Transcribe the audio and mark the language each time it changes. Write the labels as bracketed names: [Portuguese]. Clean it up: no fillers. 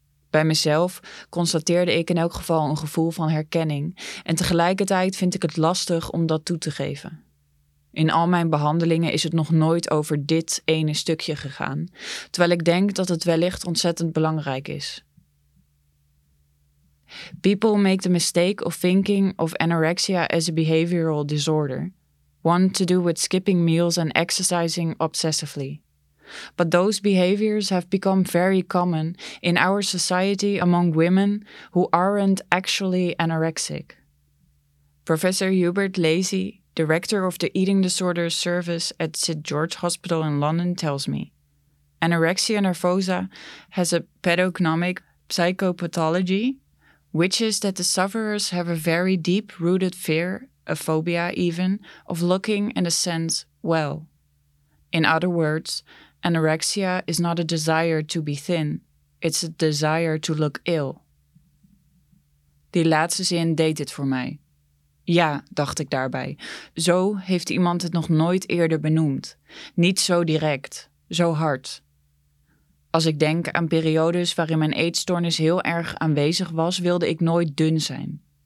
[Dutch] Bij mezelf constateerde ik in elk geval een gevoel van herkenning en tegelijkertijd vind ik het lastig om dat toe te geven. In al mijn behandelingen is het nog nooit over dit ene stukje gegaan, terwijl ik denk dat het wellicht ontzettend belangrijk is. [English] People make the mistake of thinking of anorexia as a behavioral disorder, one to do with skipping meals and exercising obsessively. But those behaviors have become very common in our society among women who aren't actually anorexic. Professor Hubert Lacey, director of the Eating Disorders Service at St. George Hospital in London, tells me, anorexia nervosa has a pedognomic psychopathology, which is that the sufferers have a very deep-rooted fear, a phobia even, of looking, in a sense, well. In other words, anorexia is not a desire to be thin, it's a desire to look ill. [Dutch] Die laatste zin deed dit voor mij. Ja, dacht ik daarbij, zo heeft iemand het nog nooit eerder benoemd. Niet zo direct, zo hard. Als ik denk aan periodes waarin mijn eetstoornis heel erg aanwezig was, wilde ik nooit dun zijn.